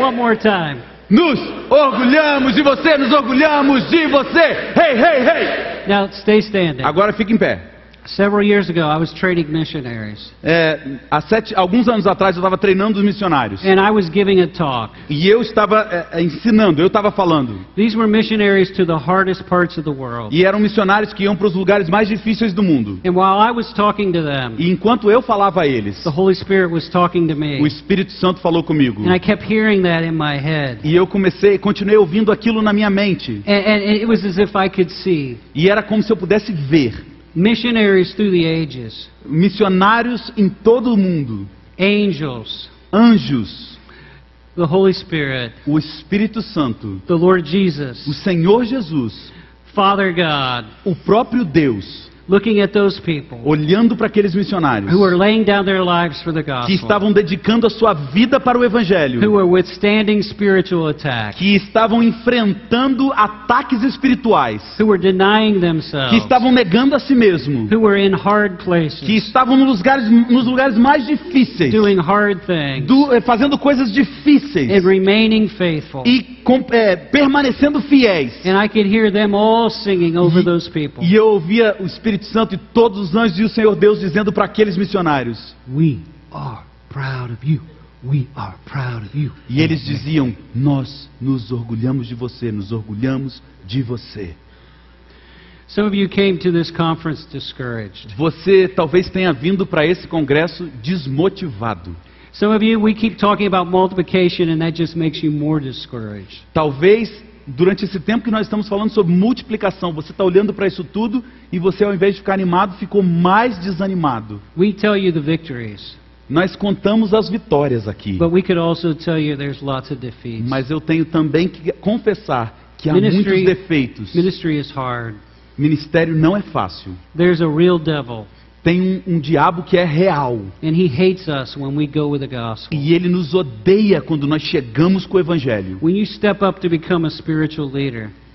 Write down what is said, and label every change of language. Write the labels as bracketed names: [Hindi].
[English] One more time. [Portuguese] Nos orgulhamos de você. Nos orgulhamos de você. Hey, hey, hey. [English] Now stay standing. [Portuguese] Agora fique em pé. [English] Several years ago, I was training missionaries. [Portuguese] Alguns anos atrás, eu estava treinando os missionários. [English] And I was giving a talk. [Portuguese] E eu estava ensinando, eu estava falando. [English] These were missionaries to the hardest parts of the world. [Portuguese] E eram missionários que iam para os lugares mais difíceis do mundo. [English] And while I was talking to them, [Portuguese] e enquanto eu falava a eles, [English] the Holy Spirit was talking to me. [Portuguese] O Espírito Santo falou comigo. [English] And I kept hearing that in my head. [Portuguese] E eu continuei ouvindo aquilo na minha mente. [English] And it was as if I could see. [Portuguese] E era como se eu pudesse ver. [English] Missionaries through the ages. [Portuguese] Missionários em todo o mundo. [English] Angels. [Portuguese] Anjos. [English] The Holy Spirit. [Portuguese] O Espírito Santo. [English] The Lord Jesus. [Portuguese] O Senhor Jesus. [English] Father God. [Portuguese] O próprio Deus. [English] Looking at those people. [Portuguese] Olhando para aqueles missionários. [English] Who were laying down their lives for the gospel. [Portuguese] Que estavam dedicando a sua vida para o evangelho. [English] Who were withstanding spiritual attacks. [Portuguese] Que estavam enfrentando ataques espirituais. [English] Who were denying themselves. [Portuguese] Que estavam negando a si mesmo. [English] Who were in hard places. [Portuguese] Que estavam nos lugares mais difíceis. [English] Doing hard things. [Portuguese] Fazendo coisas difíceis. [English] And remaining faithful. [Portuguese] Permanecendo fiéis. [English] And I could hear them all singing over those people. [Portuguese] E eu ouvia o Espírito Santo e todos os anjos e o Senhor Deus dizendo para aqueles missionários: [English] We are proud of you. We are proud of you. [Portuguese] E eles diziam: Nós nos orgulhamos de você. Nos orgulhamos de você. [English] Some of you came to this conference discouraged. [Portuguese] Você talvez tenha vindo para esse congresso desmotivado. [English] Some of you, we keep talking about multiplication and that just makes you more discouraged. [Portuguese] Talvez durante esse tempo que nós estamos falando sobre multiplicação, você está olhando para isso tudo e você, ao invés de ficar animado, ficou mais desanimado. [English] We tell you the victories. [Portuguese] Nós contamos as vitórias aqui. [English] But we could also tell you there's lots of defeats. [Portuguese] Mas eu tenho também que confessar que há [English] ministry, [Portuguese] muitos defeitos. [English] Ministry is hard. [Portuguese] Ministério não é fácil. [English] There's a real devil. [Portuguese] Tem um diabo que é real. [English] And he hates us when we go with the gospel. [Portuguese] E ele nos odeia quando nós chegamos com o evangelho. [English] When you step up to become a spiritual leader.